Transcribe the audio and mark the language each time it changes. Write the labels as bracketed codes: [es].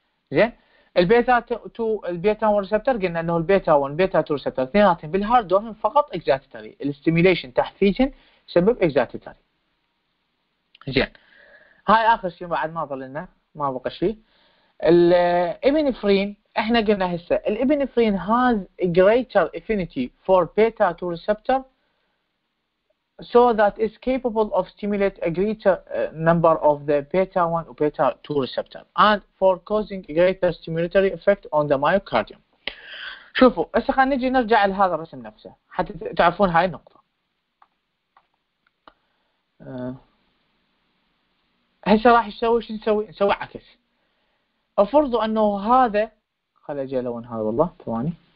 [ar] زين، البيتا 2 البيتا 1 ريسبتر قلنا انه البيتا 1 بيتا 2 ريسبتر اثنيناتهم بالهارت دومين فقط اكزيتاتوري، الاستيميليشن تحفيزا يسبب اكزيتاتوري. زين، هاي اخر شيء بعد ما ظل لنا ما بقى شيء. [en] الابنفرين [ar] احنا قلنا هسه [en] الابنفرين has greater affinity for beta 2 receptor so that is capable of stimulate a greater number of the beta 1 or beta 2 receptor and for causing greater stimulatory effect on the myocardium. [ar] شوفوا هسه خلينا نجي نرجع لهذا الرسم نفسه حتى تعرفون هاي النقطه. هسه راح يسوي شو نسوي؟ نسوي عكس. افرضوا انه هذا خلي اجي الون هذا والله ثواني.